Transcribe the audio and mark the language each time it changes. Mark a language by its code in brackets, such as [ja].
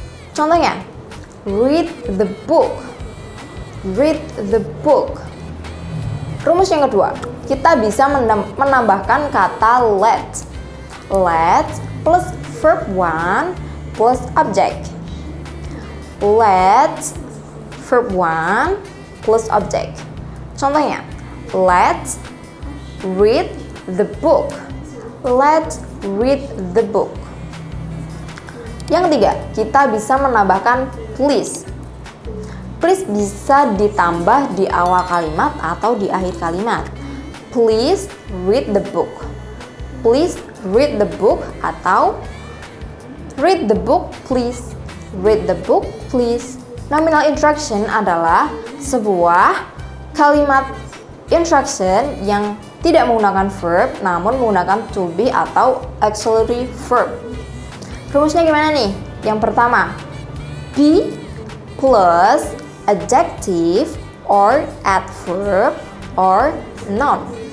[id] Contohnya, [en] read the book. Read the book. [id] Rumus yang kedua, kita bisa menambahkan kata let. [en] Let plus verb 1 plus object. Let verb 1 plus object. [id] Contohnya, [en] let's read the book. Let's read the book. [id] Yang ketiga, kita bisa menambahkan please. Please bisa ditambah di awal kalimat atau di akhir kalimat. [en] Please read the book. Please read the book [id] atau [en] read the book please. Read the book please. [id] Nominal instruction adalah sebuah kalimat instruction yang tidak menggunakan verb namun menggunakan to be atau auxiliary verb. Rumusnya gimana nih? Yang pertama, [en] be plus adjective or adverb or noun.